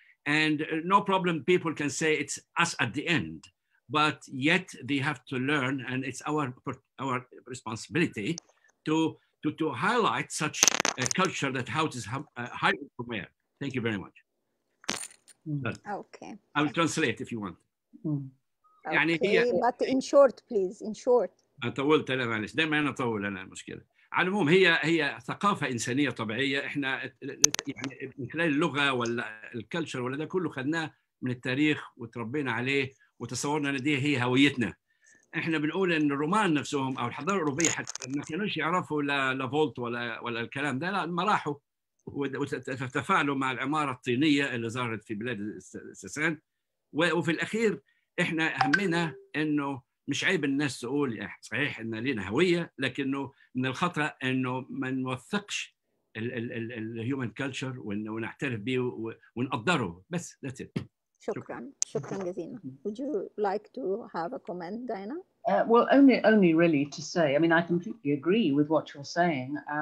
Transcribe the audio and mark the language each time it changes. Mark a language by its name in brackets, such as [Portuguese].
[English] And no problem, people can say it's us at the end, but yet they have to learn, and it's our responsibility to highlight such a culture, that how it is hybrid from where. Thank you very much. Okay. I'll translate if you want. Okay, but in short, please, in short. [Arabic] أنا طولت أنا معلش دائما أنا أطول أنا المشكلة على المهم هي ثقافة إنسانية طبيعية إحنا يعني من خلال اللغة ولا الكلتشر ولا ده كله خدناه من التاريخ وتربينا عليه وتصورنا إن دي هي هويتنا إحنا بنقول إن الرومان نفسهم أو الحضارة الأوروبية حتى ما كانوش يعرفوا لا فولت ولا الكلام ده لا ما راحوا وتفاعلوا مع العمارة الطينية اللي ظهرت في بلاد الساسان وفي الأخير إحنا همنا إنه مش عيب الناس تقول صحيح ان لينا هويه لكنه من الخطا انه ما نوثقش [English] الهيومن كلتشر [Arabic] ونعترف به ونقدره بس [English] that's it [Arabic] شكرا جزيلا. [English] Would you like to have a comment, Diana? Well, only really to say, I mean, I completely agree with what you're saying.